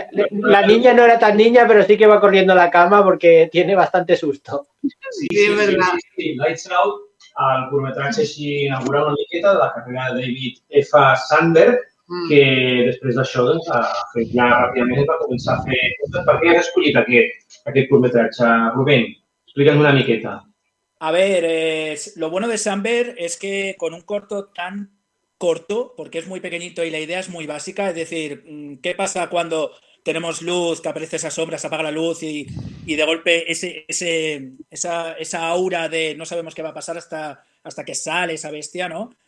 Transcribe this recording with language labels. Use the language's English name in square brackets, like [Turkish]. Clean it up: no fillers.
[Spanish] La niña no era tan niña, pero sí que va corriendo a la cama porque tiene bastante susto. Sí, es verdad. [Catalan] Lights Out, el curtmetratge així inaugurant una miqueta de la carrera de David F. Sandberg, que després d'això doncs, ha fet ja ràpidament per començar a fer... Per què has escollit aquest curtmetratge? Rubén, explica'ns una miqueta. [Spanish] A ver, lo bueno de Sandberg es que con un corto tan corto, porque es muy pequeñito y la idea es muy básica, es decir, ¿qué pasa cuando tenemos luz, que aparece esa sombra, se apaga la luz y de golpe esa aura de no sabemos qué va a pasar hasta que sale esa bestia, ¿no?